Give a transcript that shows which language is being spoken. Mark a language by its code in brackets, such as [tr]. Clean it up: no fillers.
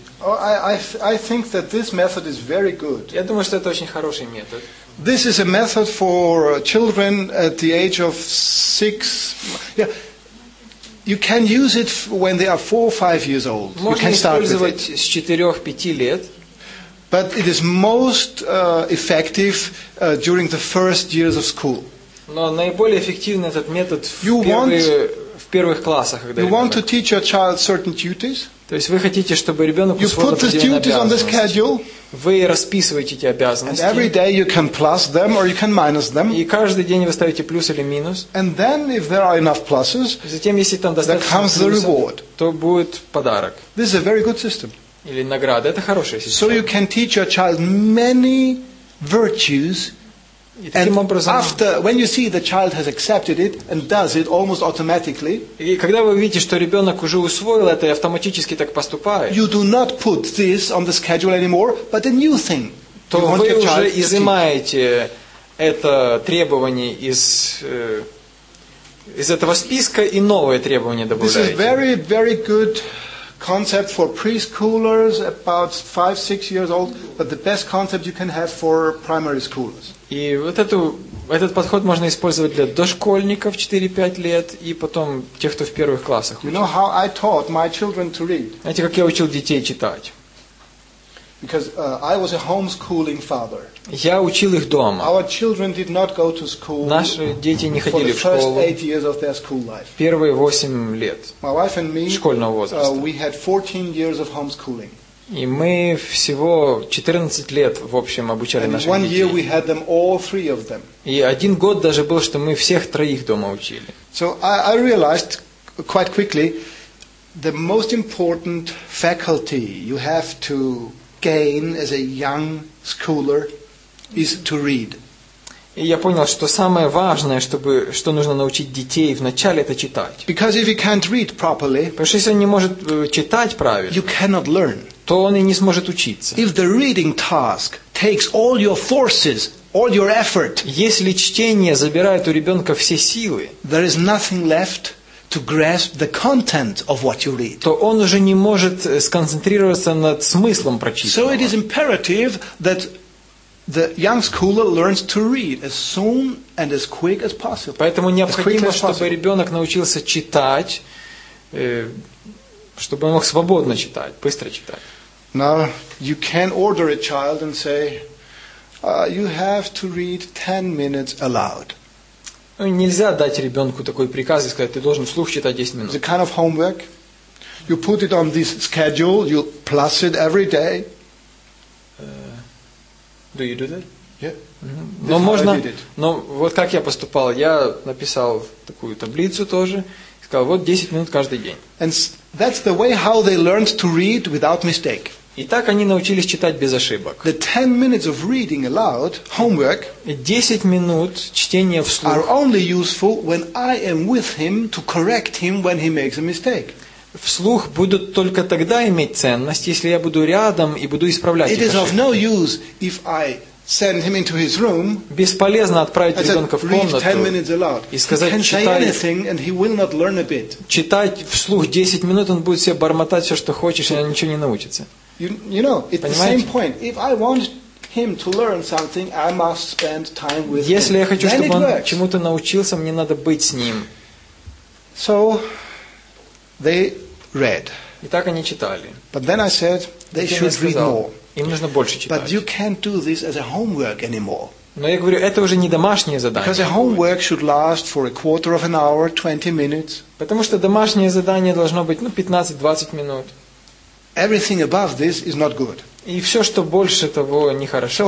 [en] I think that this method is very good. This is a method for children at the age of 6. Yeah. You can use it when they are 4 or 5 years old. You can start with it. But it is most effective during the first years of school. [ru] Но наиболее эффективен этот метод в первых классах, когда [en] you want to teach your child certain duties. [ru] То есть вы хотите, чтобы ребенок усвоил определенные обязанности. Вы расписываете эти обязанности. [en] And every day you can plus them or you can minus them. [ru] И каждый день вы ставите плюс или минус. [en] And then if there are enough pluses, [ru] затем, если там достаточно [en] there comes [ru] плюсов, [en] the reward. [ru] То будет подарок. [en] This is a very good system. [ru] Или награда. Это хорошая система. [en] So you can teach your child many virtues. And after, when you see the child has accepted it and does it almost automatically, [ru] и когда вы видите, что ребенок уже усвоил это и автоматически так поступает, [en] you do not put this on the schedule anymore, but a new thing. [ru] То вы уже изымаете это требование из этого списка и новое требование добавляете. [en] This is very, very good concept for preschoolers about 5-6 years old, but the best concept you can have for primary schoolers. [ru] И вот этот подход можно использовать для дошкольников 4-5 лет и потом тех, кто в первых классах учит. [en] You know how I taught my children to read? [ru] Знаете, как я учил детей читать? [en] Because I was a homeschooling father. [ru] Я учил их дома. [en] Our children did not go to school. [ru] Наши дети не ходили в школу. [en] For the first 8 years of their school life. [ru] Первые 8 лет. [en] My wife and me. [ru] Школьного возраста. [en] We had 14 years of homeschooling. [ru] И мы всего 14 лет в общем обучали наших детей. [en] One year we had them all three of them. [ru] И один год даже был, что мы всех троих дома учили. [en] So I realized quite quickly the most important faculty you have to gain as a young schooler is to read. [ru] И я понял, что самое важное, что нужно научить детей вначале, это читать. [en] Because if he can't read properly, [ru] потому что если он не может читать правильно, [en] you cannot learn. [ru] То он и не сможет учиться. [en] If the reading task takes all your forces, all your effort, [ru] если чтение забирает у ребенка все силы, [en] there is nothing left to grasp the content of what you read. [ru] То он уже не может сконцентрироваться над смыслом прочитанного. [en] So it is imperative that the young schooler learns to read as soon and as quick as possible. [ru] Поэтому необходимо, чтобы ребенок научился читать, чтобы он мог свободно читать, быстро читать. [en] Now you can order a child and say, you have to read 10 minutes aloud. [ru] Ну, нельзя дать ребенку такой приказ и сказать, ты должен вслух читать 10 минут. [en] The kind of homework you put it on this schedule, you plus it every day. Do you do that? Yeah. [ru] Mm-hmm. Но можно. Но вот как я поступал, я написал такую таблицу тоже, сказал вот 10 минут каждый день. [en] And that's the way how they learned to read without mistake. [ru] И так они научились читать без ошибок. [en] The 10 minutes of reading aloud homework. [ru] 10 минут чтения вслух. [en] Are only useful when I am with him to correct him when he makes a mistake. [ru] Вслух будут только тогда иметь ценность, если я буду рядом и буду исправлять их. [en] It is of no use if I send him into his room. [ru] Бесполезно отправить ребенка в комнату и сказать читать вслух 10 минут, он будет себе бормотать все, что хочешь, и он ничего не научится. [en] You know, it's the same point. If I want him to learn something, I must spend time with him. [ru] Если я хочу, чтобы он чему-то научился, мне надо быть с ним. [en] So they read. [ru] Итак, они читали. [en] But then I said they should read more. [ru] Им нужно больше читать. [en] But you can't do this as a homework anymore. [ru] Но я говорю, это уже не домашнее задание. [en] Because a homework should last for a quarter of an hour, 20 minutes. [ru] Потому что домашнее задание должно быть, ну, 15-20 минут. [en] Everything above this is not good. [ru] И все, что больше того, нехорошо.